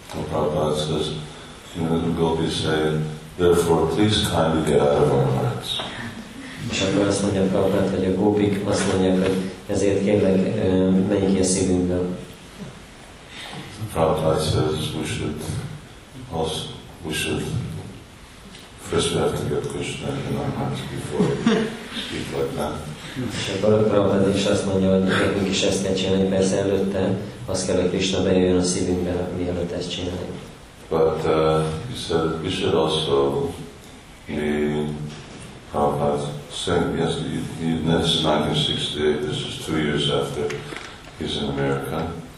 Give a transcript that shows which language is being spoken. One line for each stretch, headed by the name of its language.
English: Prabhupada says, you know, the gopis say, therefore please kindly get out of our hearts.
Hungarian: És akkor azt mondja Prabhupád, hogy a gópik azt mondják, hogy ezért kérlek, menj ki a szívünkből.
English: Prabhupád says, we should, first we have to get Krishna in our hearts before we speak like that.
Hungarian: És akkor Prabhupád is azt mondja, hogy nekünk is ezt kell csinálni, persze előtte, azt kell, hogy Krishna bejöjjön a szívünkbe, mielőtt ezt csinálni.
English: But he said, we should also be Prabhupád. Same, yes, this is 1968, this is 2 years after he's in America.